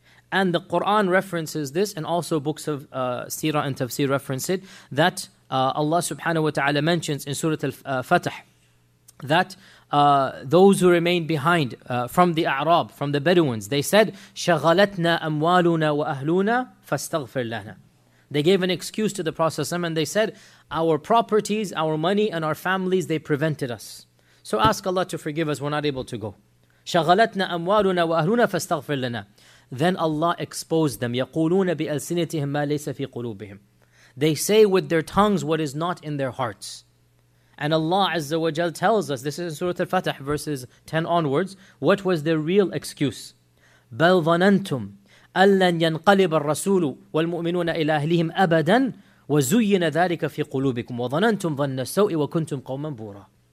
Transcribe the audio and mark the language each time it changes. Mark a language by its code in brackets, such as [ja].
[en] And the Quran references this, and also books of Seerah and Tafsir reference it, that Allah subhanahu wa ta'ala mentions in Surah Al-Fatah that those who remained behind from the A'rab, from the Bedouins, they said, [ar] شَغَلَتْنَا أَمْوَالُنَا وَأَهْلُونَا فَاسْتَغْفِرْ لَنَا. [en] They gave an excuse to the Prophet ﷺ and they said, our properties, our money and our families, they prevented us. So ask Allah to forgive us, we're not able to go. [ar] شَغَلَتْنَا أَمْوَالُنَا وَأَهْلُونَا فَاسْتَغْفِرْ لَنَا. [en] Then Allah exposed them, [ar] يَقُولُونَ بِأَلْسِنِتِهِمْ مَا لَيْسَ فِي قُلُوبِهِمْ. [en] They say with their tongues what is not in their hearts. And Allah Azza wa Jal tells us, this is in Surah Al-Fatah, verses 10 onwards, what was their real excuse? [ar] بَلْ ظَنَنْتُمْ أَلَّنْ يَنْقَلِبَ الرَّسُولُ وَالْمُؤْمِنُونَ إِلَى أَهْلِهِمْ أَبَدًا وَزُيِّنَ ذَلِكَ فِي قُلُوبِكُمْ وَظَنَنْتُمْ ظَنَّ السَّوْءِ وَكُنْتُمْ قَوْمًا بُورًا.